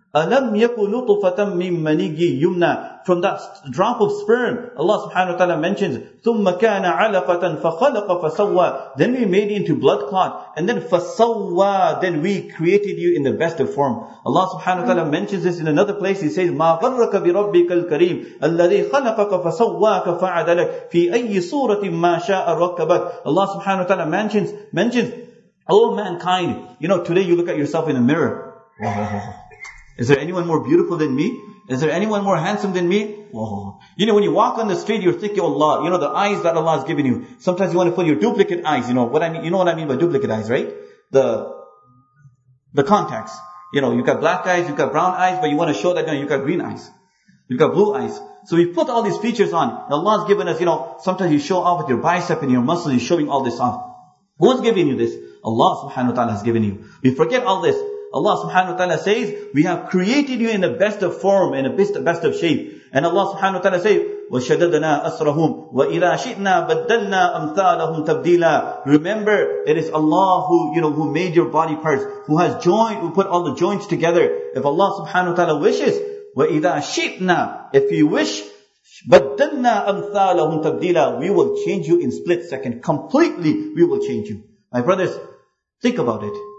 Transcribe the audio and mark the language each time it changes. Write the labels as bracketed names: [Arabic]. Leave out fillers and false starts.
[Arabic] أَلَمْ يَكُنْ نُطْفَةً مِّن مَّنِيٍّ يُمْنَى. [English] From that drop of sperm, Allah subhanahu wa ta'ala mentions, [Arabic] ثُمَّ كَانَ عَلَقَةً فَخَلَقَ فَسَوَّى. [English] Then we made into blood clot. And then فَسَوَّى. Then we created you in the best of form. Allah subhanahu wa ta'ala mentions this in another place. He says, [Arabic] مَا غَرَّكَ بِرَبِّكَ الْكَرِيمِ أَلَّذِي خَلَقَكَ فَسَوَّاكَ فَعَدَلَكَ فِي أَيِّ صُورَةٍ مَا شَاءَ رَكَّبَكَ. [English] Allah subhanahu wa ta'ala mentions, oh mankind, today you look at yourself in a mirror. Is there anyone more beautiful than me? Is there anyone more handsome than me? Whoa. When you walk on the street, you're thinking, Allah, the eyes that Allah has given you. Sometimes you want to put your duplicate eyes, you know what I mean by duplicate eyes, right? The contacts. You've got black eyes, you've got brown eyes, but you want to show that, you've got green eyes. You've got blue eyes. So we put all these features on. Allah has given us, sometimes you show off with your bicep and your muscles, you're showing all this off. Who's giving you this? Allah subhanahu wa ta'ala has given you. We forget all this. Allah subhanahu wa ta'ala says, we have created you in the best of form, in the best of shape. And Allah subhanahu wa ta'ala says, [Arabic] وَشَدَدْنَا أَسْرَهُمْ وَإِلَىٰ شِئْنَا بَدَّلْنَا أَمْثَالَهُمْ تَبْدِيلًا. [English] Remember, it is Allah who made your body parts, who has joined, who put all the joints together. If Allah subhanahu wa ta'ala wishes, [Arabic] وَإِلَىٰ شِئْنَا, [English] if you wish, [Arabic] بَدَّلْنَا أَمْثَالَهُمْ تَبْدِيلًا, [English] we will change you in split second. Completely, we will change you. My brothers, think about it.